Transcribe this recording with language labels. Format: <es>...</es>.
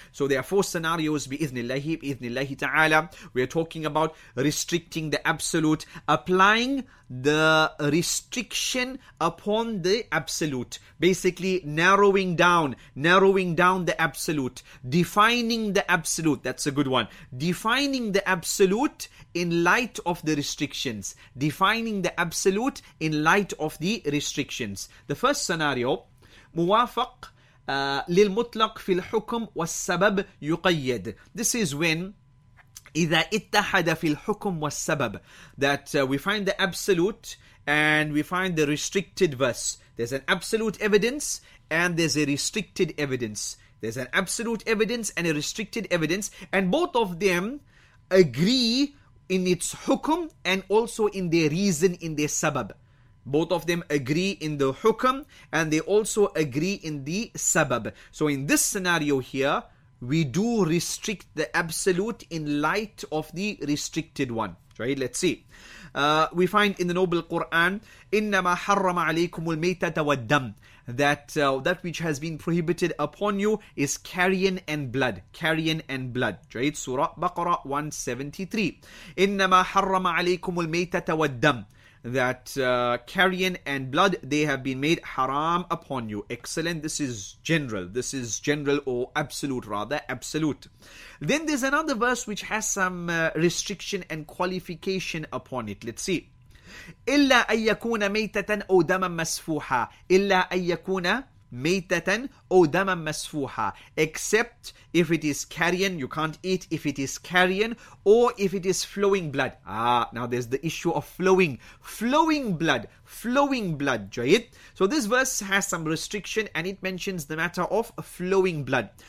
<en>So there are four scenarios, bi-idhnillahi ta'ala. We are talking about restricting the absolute, applying the restriction upon the absolute. Basically, narrowing down the absolute. Defining the absolute, that's a good one. Defining the absolute in light of the restrictions. Defining the absolute in light of the restrictions. The first scenario,</en> <ar>موافق للمطلق في الحكم والسبب يقيد.</ar> <en>This is when</en> <ar>إذا اتحد في الحكم والسبب,</ar> <en>that we find the absolute and we find the restricted verse. There's an absolute evidence and there's a restricted evidence. There's an absolute evidence and a restricted evidence, and both of them agree in its hukum and also in their reason, in their sabab. Both of them agree in the hukam and they also agree in the sabab. So in this scenario here, we do restrict the absolute in light of the restricted one. Right? Let's see. We find in the noble Quran,</en> <ar>إِنَّمَا حَرَّمَ عَلَيْكُمُ الْمَيْتَةَ وَالْدَّمِ,</ar> <en>that which has been prohibited upon you is carrion and blood. Carrion and blood. Right?</en> <ar>Surah Baqarah 173. إِنَّمَا حَرَّمَ عَلَيْكُمُ الْمَيْتَةَ وَالْدَّمِ.</ar> <en>that carrion and blood, they have been made haram upon you. Excellent. This is general. This is general or absolute, rather, absolute. Then there's another verse which has some restriction and qualification upon it. Let's see.</en> <ar>إلا أن يكون ميتة أو دما مسفوحة. إلا أن يكون ميتة أو دما مسفوحة.</ar> <en>Except if it is carrion, you can't eat. If it is carrion or if it is flowing blood. Now there's the issue of flowing. Flowing blood. جيد. So this verse has some restriction and it mentions the matter of flowing blood.</en>